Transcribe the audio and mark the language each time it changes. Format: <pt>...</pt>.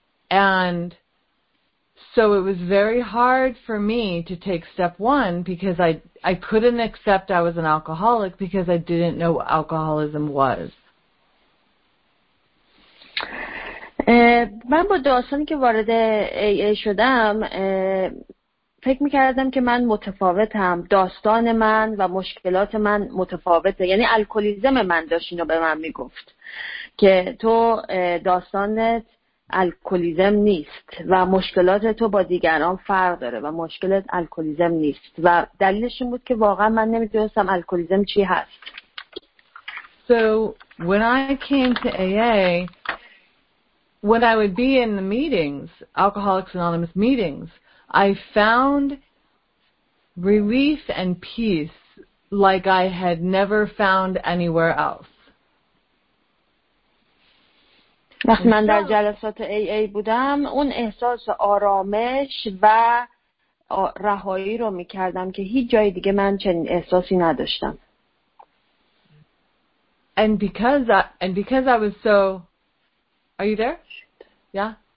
<en>And so it was very hard for me to take step one because I couldn't accept I was an alcoholic because I didn't know what alcoholism was.</en> <fa>من با داستانی که وارد AA شدم فکر میکردم که من متفاوتم، داستان من و مشکلات من متفاوته. یعنی الکلیزم من داشت اینو به من میگفت که تو داستانت الکلیزم نیست و مشکلات تو با دیگران فرق داره و مشکلت الکلیزم نیست و دلیلش این بود که واقعا من نمیدونستم الکلیزم چی هست.</fa> <en>So when I came to AA, when I would be in the meetings, Alcoholics Anonymous meetings, I found relief and peace like I had never found anywhere else.</en> <fa>وقتی من در جلسات AA بودم اون احساس آرامش و رهایی رو میکردم که هیچ جای دیگه من چنین احساسی نداشتم.</fa> <en>And because I was so... Are you there? Yeah?</en>